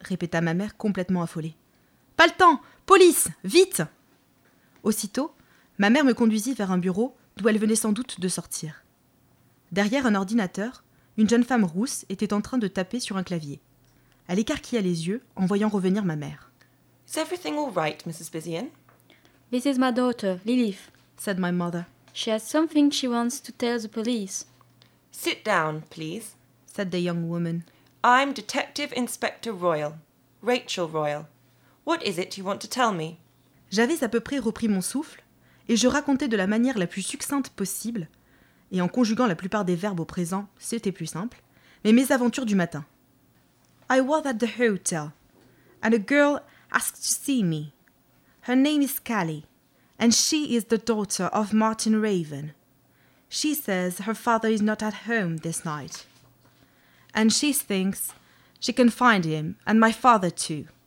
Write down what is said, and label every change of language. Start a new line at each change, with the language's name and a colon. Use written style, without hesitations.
French: répéta ma mère complètement affolée. « Pas le temps! Police! Vite !» Aussitôt, ma mère me conduisit vers un bureau d'où elle venait sans doute de sortir. Derrière un ordinateur, une jeune femme rousse était en train de taper sur un clavier. Elle écarquilla les yeux en voyant revenir ma mère.
English: « Is everything all right, Mrs. Bizian? »« This is my daughter, Lilith, » said my mother. « She has something she wants to tell the police. » « Sit down, please, » said the young woman. « I'm Detective Inspector Royal, Rachel Royal. What is it you want to tell me ?»
French: J'avais à peu près repris mon souffle, et je racontais de la manière la plus succincte possible, et en conjuguant la plupart des verbes au présent, c'était plus simple, mais mes aventures du matin.
English: « I was at the hotel, and a girl asked to see me. Her name is Callie, and she is the daughter of Martin Raven. » She says her father is not at home this night. And she thinks she can find him, and my father too.